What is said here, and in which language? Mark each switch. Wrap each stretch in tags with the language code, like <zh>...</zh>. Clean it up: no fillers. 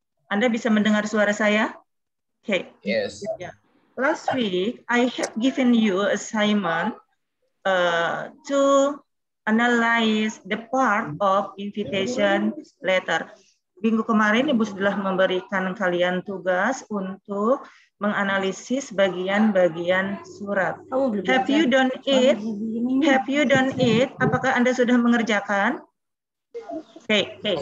<id>Anda bisa mendengar suara saya?</id> <en>Okay. Yes. Yeah. Last week, I have given you assignment to analyze the part of invitation letter.</en> <id>Minggu kemarin Ibu sudah memberikan kalian tugas untuk menganalisis bagian-bagian surat.</id> <en>Have you done it? Have you done it?</en> <id>Apakah Anda sudah mengerjakan?</id> <en>Okay.</en>